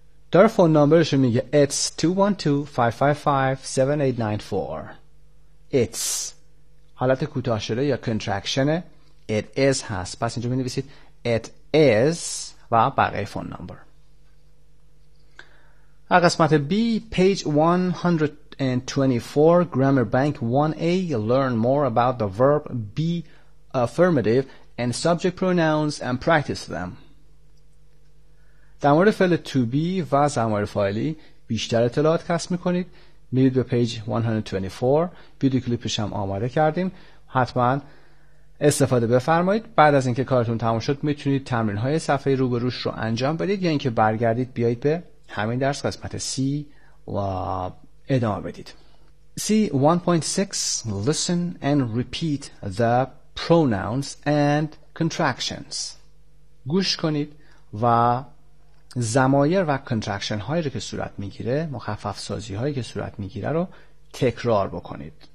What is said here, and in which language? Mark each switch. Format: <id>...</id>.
<fa>در فون نمبرش میگه</fa> <en>It's 212-555-7894.</en> <fa>It's حالت کوتاه شده یا contraction</fa> <en>It is</en> <fa>هست. پس اینجا می نویسید</fa> <en>It is</en> <fa>و بقیه فون نمبر.</fa> <en>قسمت B page 124 grammar bank 1A learn more about the verb be affirmative and subject pronouns and practice them.</en> <fa>در مورد فعل to be و ضمایر فاعلی بیشتر اطلاعات کسب می‌کنید، میرید به page 124، ویدیو کلیپش هم آماده کردیم، حتما استفاده بفرمایید. بعد از اینکه کارتون تموم شد میتونید تمرین‌های صفحه روبروش رو انجام بدید یا اینکه برگردید بیایید به همین درس قسمت C و ادامه بدید.</fa> <en>C 1.6 listen and repeat the pronouns and contractions.</en> <fa>گوش کنید و ضمایر و contraction هایی رو که صورت میگیره، مخفف سازی هایی که صورت میگیره رو تکرار بکنید.</fa>